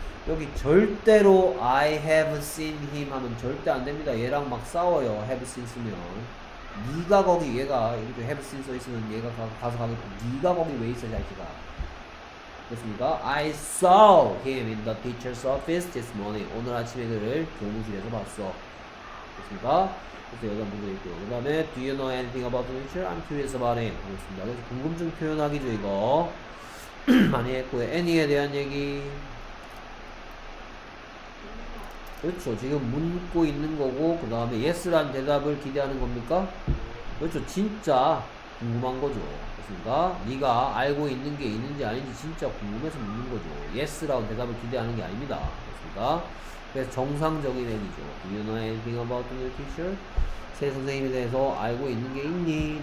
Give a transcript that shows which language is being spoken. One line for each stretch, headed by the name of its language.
Korean: 여기 절대로
English: I have seen him
Korean: 하면 절대 안 됩니다. 얘랑 막 싸워요. Have seen 쓰면 네가 거기 얘가 이렇게 have seen 써 있으면 얘가 가서 가면 네가 거기 왜 있어 자기가. 됐습니까?
English: I saw him in the teacher's office this morning.
Korean: 오늘 아침에 그를 교무실에서 봤어. 됐습니까? 그래서 여자분도 있고 그 다음에
English: Do you know anything about the teacher? I'm curious about him.
Korean: 알겠습니다. 그래서 궁금증 표현하기죠 이거. 많이 했고요. any에 대한 얘기. 그렇죠. 지금 묻고 있는 거고 그 다음에 yes란 대답을 기대하는 겁니까? 그렇죠. 진짜 궁금한 거죠. 그렇습니까? 네가 알고 있는 게 있는지 아닌지 진짜 궁금해서 묻는 거죠. yes라고 대답을 기대하는 게 아닙니다. 그렇습니까? 그래서 정상적인 행위죠.
English: Do you know anything about the new teacher?
Korean: 새 선생님에 대해서 알고 있는 게 있니?